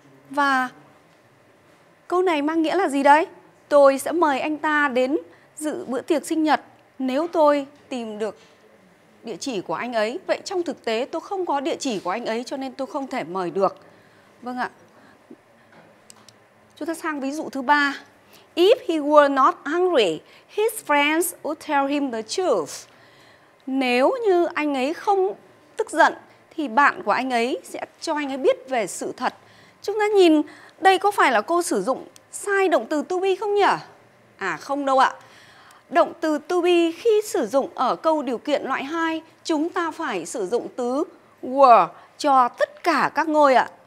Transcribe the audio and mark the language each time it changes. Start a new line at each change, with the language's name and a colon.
Vietnamese: Và câu này mang nghĩa là gì đấy? Tôi sẽ mời anh ta đến dự bữa tiệc sinh nhật nếu tôi tìm được địa chỉ của anh ấy. Vậy trong thực tế tôi không có địa chỉ của anh ấy cho nên tôi không thể mời được. Vâng ạ. Chúng ta sang ví dụ thứ 3.
English: If he were not hungry, his friends would tell him the truth.
Vietnamese: Nếu như anh ấy không tức giận thì bạn của anh ấy sẽ cho anh ấy biết về sự thật. Chúng ta nhìn đây có phải là cô sử dụng sai động từ to be không nhỉ? À không đâu ạ. Động từ to be khi sử dụng ở câu điều kiện loại 2, chúng ta phải sử dụng từ were cho tất cả các ngôi ạ.